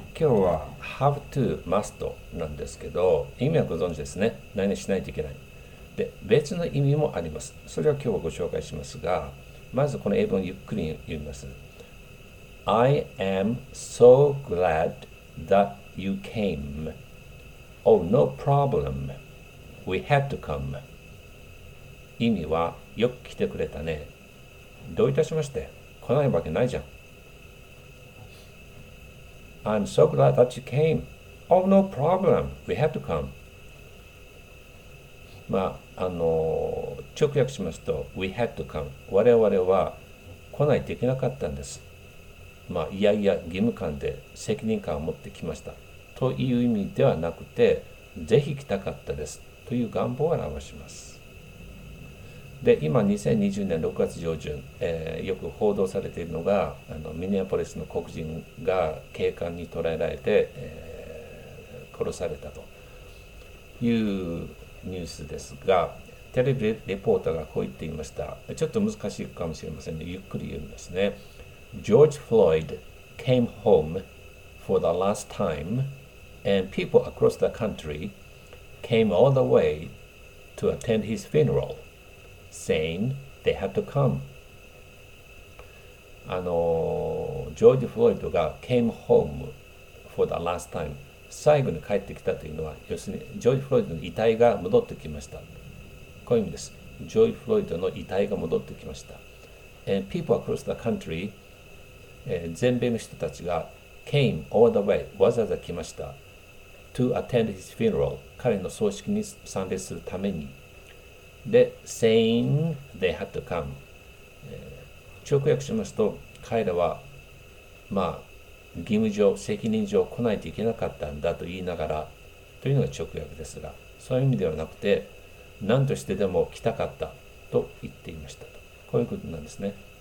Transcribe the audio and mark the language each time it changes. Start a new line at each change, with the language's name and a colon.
Japanese: 今日は have to must なんですけど、意味はご存知ですね。何しないといけない。で、別の意味もあります。それは今日はご紹介しますが、まずこの英文をゆっくり言います。
English: I am so glad that you came. Oh, no problem. We had to come.
Japanese: 意味はよく来てくれたね。どういたしまして。来ないわけないじゃん。
English: I'm so glad that you came. Oh, no problem. We have to come.
Japanese: まあ、直訳しますと、
English: We had to come.
Japanese: 我々は来ないといけなかったんです。まあ、いやいや、義務感で責任感を持ってきました。という意味ではなくて、ぜひ来たかったです。という願望を表します。で、今、2020年6月上旬、よく報道されているのが、ミネアポリスの黒人が警官に捕らえられて、殺されたというニュースですが、テレビレポーターがこう言っていました。ちょっと難しいかもしれませんね。ゆっくり言うんですね。
English: ジョージ・フロイド came home for the last time, and people across the country came all the way to attend his funeral, saying they had to come.
Japanese: ジョージ・フロイドが
English: came home for the last time、
Japanese: 最後に帰ってきたというのは、要するにジョージ・フロイドの遺体が戻ってきました。こういう意味です。ジョージ・フロイドの遺体が戻ってきました。
English: And people across the country、
Japanese: 全米の人たちが
English: came all the way、
Japanese: わざわざ来ました
English: to attend his funeral、
Japanese: 彼の葬式に参列するために。
English: で、saying they had to come。
Japanese: 直訳しますと、彼らは、まあ、義務上、責任上来ないといけなかったんだと言いながら、というのが直訳ですが、そういう意味ではなくて、何としてでも来たかったと言っていましたと。こういうことなんですね。